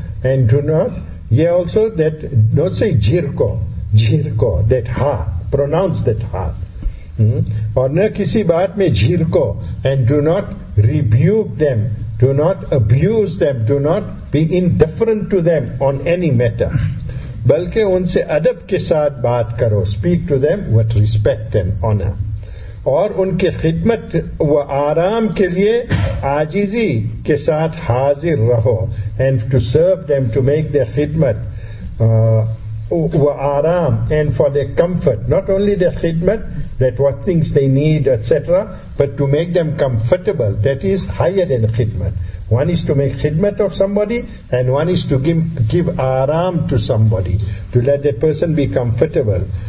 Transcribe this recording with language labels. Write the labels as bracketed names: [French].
[English] And do not, yeah also that, don't say jhirko. Jhirko, that ha. Pronounce that ha. Or [Urdu] na kisi baat mein jhirko. [English] And do not rebuke them. Do not abuse them. Do not be indifferent to them on any matter. [Urdu] بلکہ ان سے ادب کے ساتھ بات کرو. [English] Speak to them with respect and honor. [Urdu] اور ان کے خدمت و آرام کے لیے عاجزی کے ساتھ حاضر رہو. [English] And to serve them, to make their [Urdu] خدمت و آرام, [English] and for their comfort. Not only their خدمت, that what things they need, etc., but to make them comfortable. That is higher than خدمت. One is to make khidmat of somebody, and one is to give aram to somebody, to let the person be comfortable.